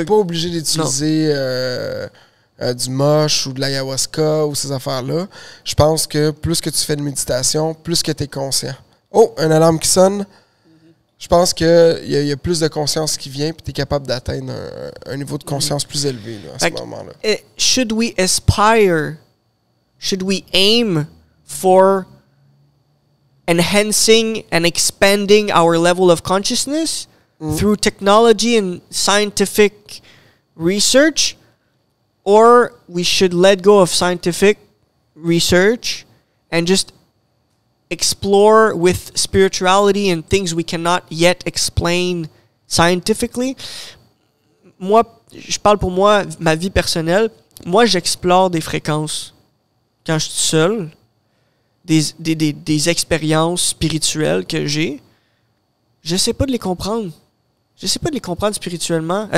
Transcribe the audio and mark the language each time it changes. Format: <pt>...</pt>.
<fr>T'es pas obligé d'utiliser du moche ou de l'ayahuasca ou ces affaires-là. Je pense que plus que tu fais de méditation, plus que t'es conscient. Oh, une alarme qui sonne. Je pense qu'il y a plus de conscience qui vient et t'es capable d'atteindre un niveau de conscience plus élevé là, à ce moment-là.</fr> <en>Should we aspire? Should we aim for enhancing and expanding our level of consciousness? Through technology and scientific research, or we should let go of scientific research and just explore with spirituality and things we cannot yet explain scientifically.</en> <fr>Moi, je parle pour moi, ma vie personnelle. Moi, j'explore des fréquences quand je suis seul, des expériences spirituelles que j'ai. J'essaie pas de les comprendre. J'essaie pas de les comprendre spirituellement.</fr>